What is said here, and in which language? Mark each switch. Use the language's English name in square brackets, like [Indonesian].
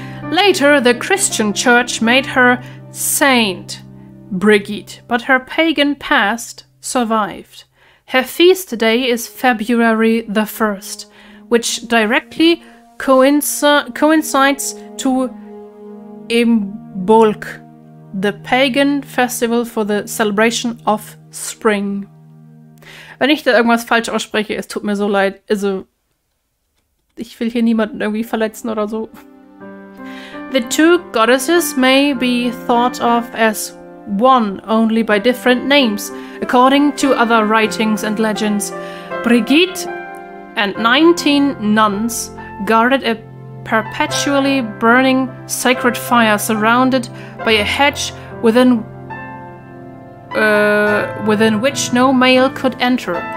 [English] Later, the Christian church made her Saint Brigitte, but her pagan past survived. Her feast day is February the 1st, which directly coincides to Imbolc, the pagan festival for the celebration of spring. [German] Wenn ich da irgendwas falsch ausspreche, es tut mir so leid. Also, ich will hier niemanden irgendwie verletzen oder so. [English] The two goddesses may be thought of as one only by different names, according to other writings and legends. Brigitte and 19 nuns guarded a perpetually burning sacred fire surrounded by a hedge within which no male could enter.